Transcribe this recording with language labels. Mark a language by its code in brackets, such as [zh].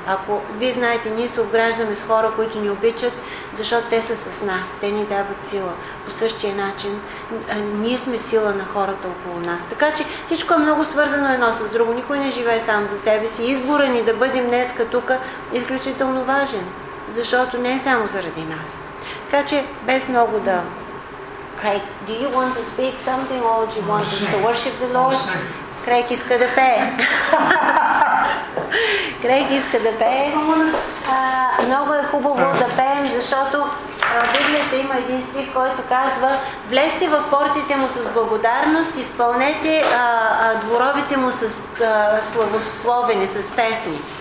[bg] Ако вие знаете, ние се обграждаме с хора, които ни обичат, защото те са с нас, те ни дават сила. По същия начин, ние сме сила на хората около нас. Така че всичко е много свързано едно с друго. Никой не живее сам за себе си. Избора ни да бъдем днеска тук е изключително важен, защото не е само заради нас. Така че без много да... [en] Craig, do you want to speak something or do you want us to worship the Lord? [bg] Craig иска да пее. Много е хубаво да пеем, защото Библията има един стих, който казва: влезте в портите му с благодарност, изпълнете дворовите му с славословени, с песни.